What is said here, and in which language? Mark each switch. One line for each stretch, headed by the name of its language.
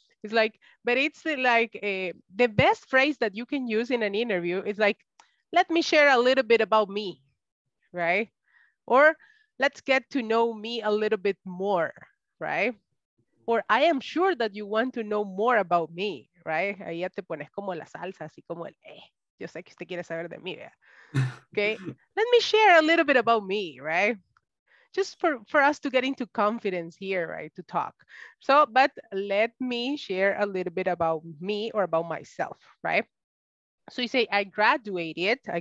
English: It's like, but it's like the best phrase that you can use in an interview is like, let me share a little bit about me, right? Or let's get to know me a little bit more, right? Or I am sure that you want to know more about me, right?
Spanish: Ahí ya te pones como la salsa, así como el, yo sé que usted quiere saber de mí, ¿verdad?
English: Okay, let me share a little bit about me, right? Just for us to get into confidence here, right, to talk. So, but let me share a little bit about me or about myself, right? So you say, I graduated